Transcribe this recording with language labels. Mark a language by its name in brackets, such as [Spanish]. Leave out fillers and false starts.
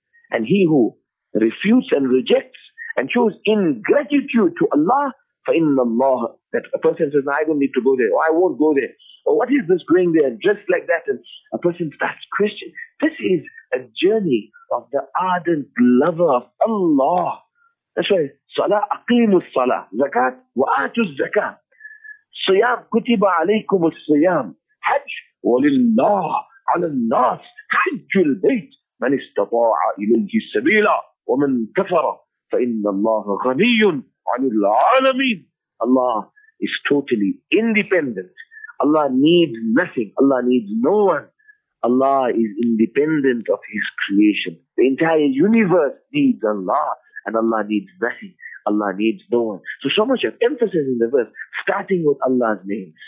[English] And he who refutes and rejects and shows ingratitude to Allah, [Arabic] فَإِنَّ اللَّهَ, [English] that a person says, I don't need to go there, or I won't go there, or what is this going there, just like that, and a person starts questioning. This is a journey of the ardent lover of Allah. That's why, [Arabic] Salah أَقِيمُ الصَّلَاةِ, Zakat وَآتُ الزَّكَاةِ, صِيَام كُتِبَ عَلَيْكُمُ الصِّيَام, حَجْ وَلِلَّهِ عَلَى النَّاسِ حَجُّ الْبَيْتِ مَنِ اسْتَطَاعَ إِلَيْهِ السَّبِيلَ وَمَنْ كَفَرَ فَإِنَّ اللَّهَ غَنِيٌّ عَنِ الْعَالَمِينَ. [English] Allah is totally independent. Allah needs nothing. Allah needs no one. Allah is independent of His creation. The entire universe needs Allah, and Allah needs nothing. Allah needs no one. So much of emphasis in the verse, starting with Allah's name.